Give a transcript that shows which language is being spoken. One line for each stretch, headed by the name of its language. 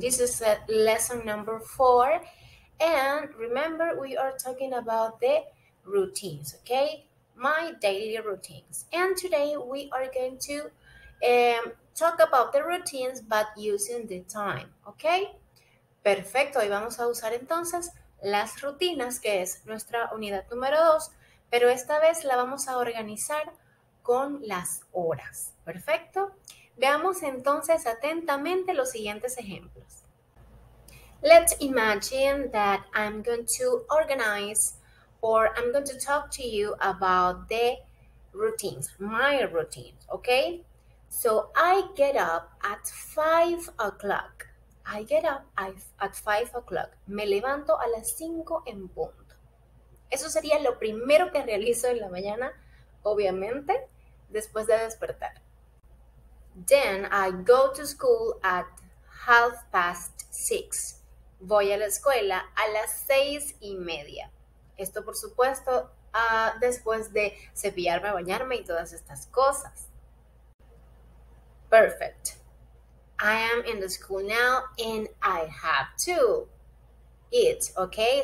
English: This is lesson number 4. And remember, we are talking about the routines, okay? My daily routines. And today we are going to talk about the routines, but using the time, okay?
Spanish: Perfecto, hoy vamos a usar entonces las rutinas, que es nuestra unidad número 2, pero esta vez la vamos a organizar con las horas, perfecto. Veamos entonces atentamente los siguientes ejemplos.
English: Let's imagine that I'm going to organize or I'm going to talk to you about the routines, my routine, okay? So I get up at 5 o'clock. I get up at 5 o'clock.
Spanish: Me levanto a las 5 en punto. Eso sería lo primero que realizo en la mañana, obviamente, después de despertar.
English: Then I go to school at 6:30.
Spanish: Voy a la escuela a las 6:30. Esto, por supuesto, después de cepillarme, bañarme y todas estas cosas.
English: Perfect. I am in the school now and I have to eat, okay?